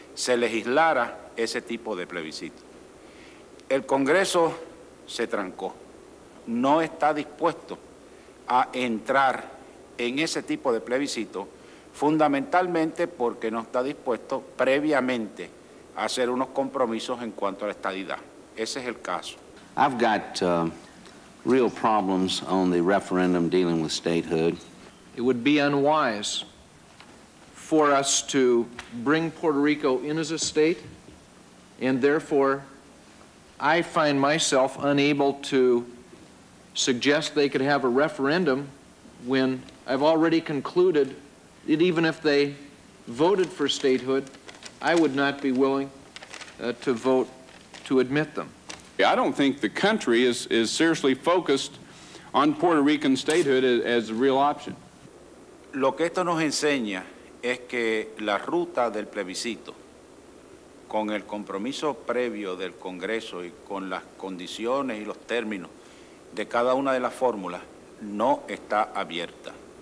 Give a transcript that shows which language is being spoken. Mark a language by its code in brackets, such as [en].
[es] se legislara ese tipo de plebiscito. El Congreso se trancó. No está dispuesto a entrar en ese tipo de plebiscito, fundamentalmente porque no está dispuesto previamente a hacer unos compromisos en cuanto a la estadidad. Ese es el caso. [en] I've got real problems on the referendum dealing with statehood. It would be unwise for us to bring Puerto Rico in as a state, and therefore I find myself unable to suggest they could have a referendum when I've already concluded that even if they voted for statehood, I would not be willing to vote to admit them. I don't think the country is seriously focused on Puerto Rican statehood as a real option. [es] Lo que esto nos enseña es que la ruta del plebiscito, con el compromiso previo del Congreso y con las condiciones y los términos de cada una de las fórmulas, no está abierta.